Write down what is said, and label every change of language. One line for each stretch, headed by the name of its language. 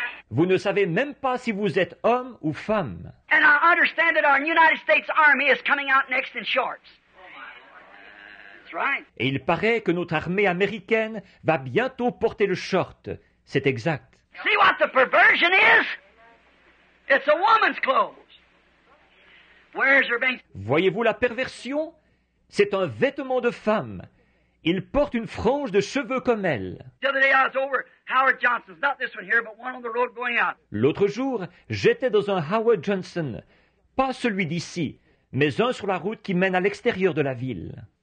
French: Vous ne savez même pas si vous êtes homme ou femme.
English: And I understand that our United States Army is coming out next in shorts.
French: Et il paraît que notre armée américaine va bientôt porter le short. C'est exact.
English: See what the perversion is? It's a woman's clothes. Where's her being?
French: Voyez-vous la perversion? C'est un vêtement de femme. Il porte une frange de cheveux comme elle.
English: The other day I was over Howard Johnson's, not this one here, but one on the road going out.
French: L'autre jour, j'étais dans un Howard Johnson, pas celui d'ici, mais un sur la route qui mène à l'extérieur de la ville.